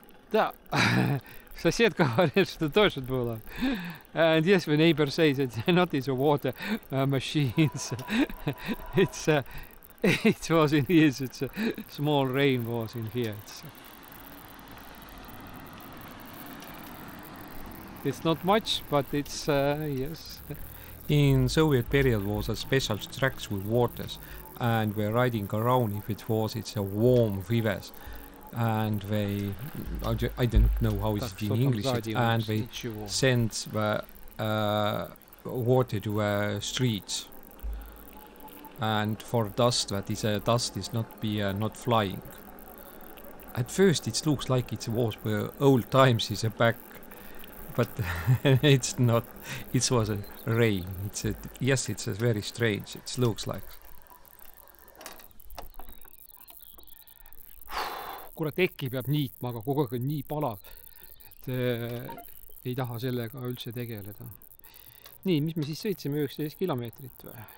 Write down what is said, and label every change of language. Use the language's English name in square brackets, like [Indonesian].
[Russian] Да, сосед говорит, что тоже было. [English] And yes, the neighbor says it's not his water machines. It was in his, it's a small rain was in here. It's not much, but it's, yes. In Soviet period was a special tracks with waters and we're riding around if it was, it's a warm rivers. And they, I don't know how it's in English, and they send the water to a street. And for dust, that is a dust is not be not flying. At first it looks like it was old times is a back, but it's not, it was a rain. It's a, yes, it's a very strange, it looks like. [Estonian] Kuule, teki peab niitma, aga kogu aeg on nii palav, et ei taha sellega üldse tegeleda. Nii, mis me siis sõitsime 19 kilometrit või?